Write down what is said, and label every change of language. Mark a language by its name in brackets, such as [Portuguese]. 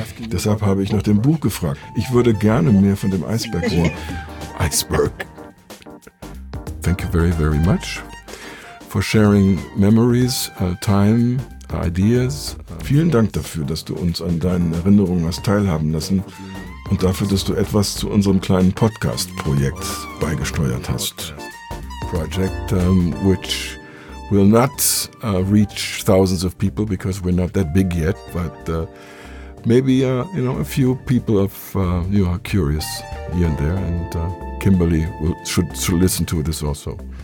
[German] deshalb habe ich nach dem Buch gefragt. Ich würde gerne mehr von dem Eisberg hören. [English] Iceberg. Thank you very, very much for sharing memories, time, ideas. [German] Vielen Dank dafür, dass du uns an deinen Erinnerungen hast teilhaben lassen und dafür, dass du etwas zu unserem kleinen Podcast-Projekt beigesteuert hast. [English] Project which will not reach thousands of people because we're not that big yet, but maybe you know, a few people of you are curious here and there, and Kimberly should listen to this also.